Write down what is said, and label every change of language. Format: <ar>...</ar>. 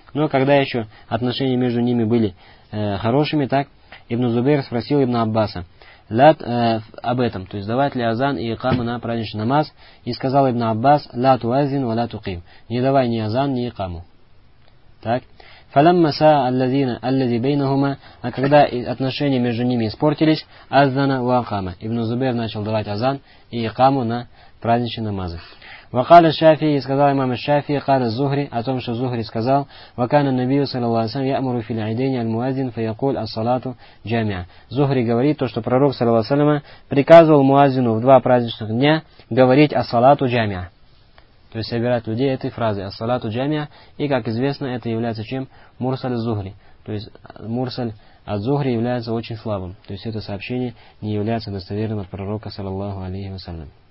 <ru>Но когда еще отношения между ними были хорошими, так ибн Зубейр спросил ибн Аббаса об этом, то есть давать ли азан и икама на праздничный намаз, и сказал ибн Аббас:</ru> <ar>«Ла туазин ва ла туким».</ar> <ru>Не давай ни азан, ни икаму. Так.</ru> <ar>فلما ساء الذين الذي بينهما,</ar> <ru>а когда отношения между ними испортились,</ru> <ar>азана ва кама,</ar> <ru>ибн Зубейр начал давать азан и икаму на праздничные намазы.</ru> <ar>وقال الشافعي,</ar> <ru>сказал имам</ru> <ar>الشافعي, قال الزهري,</ar> <ru>о том, что Зухри сказал,</ru> <ar>وكان النبي صلى الله عليه وسلم يأمر في العيدين المؤذن فيقول الصلاة جامعة.</ar> <ru>Зухри говорит то, что пророк</ru> <ar>صلى الله عليه وسلم</ar> <ru>приказывал муазину в два праздничных дня говорить</ru> <ar>ас-салату джамиа.</ar> <ru>То есть собирать людей этой фразой</ru> <ar>«Ас-салату джамия».</ar> <ru>И, как известно, это является чем? Мурсаль Зухри. То есть мурсаль от Зухри является очень слабым. То есть это сообщение не является достоверным от пророка, саллаллаху алейхи вассалям.</ru>